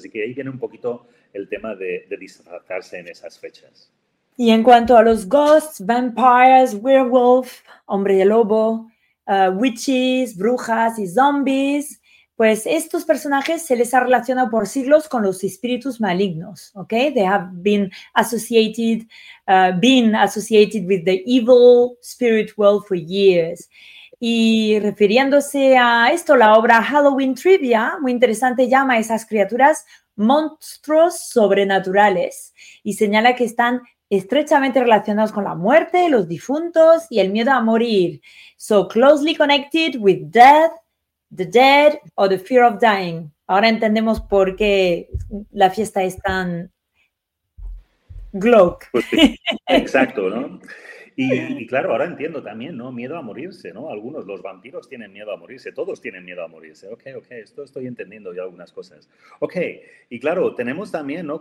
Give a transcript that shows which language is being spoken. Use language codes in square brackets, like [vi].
[es] Así que ahí viene un poquito el tema de disfrazarse en esas fechas. Y en cuanto a los ghosts, vampires, werewolf, hombre de lobo, witches, brujas y zombies, pues estos personajes se les ha relacionado por siglos con los espíritus malignos, ¿ok? [en] They have been associated with the evil spirit world for years. [es] Y refiriéndose a esto, la obra Halloween Trivia, muy interesante, llama a esas criaturas monstruos sobrenaturales y señala que están estrechamente relacionados con la muerte, los difuntos y el miedo a morir. [en] So closely connected with death, the dead or the fear of dying. [es] Ahora entendemos por qué la fiesta es tan glock. Pues sí, exacto, ¿no? Y claro, ahora entiendo también, ¿no? Miedo a morirse, ¿no? Algunos, los vampiros tienen miedo a morirse, todos tienen miedo a morirse. Ok, esto estoy entendiendo ya algunas cosas. Ok, y claro, tenemos también, ¿no?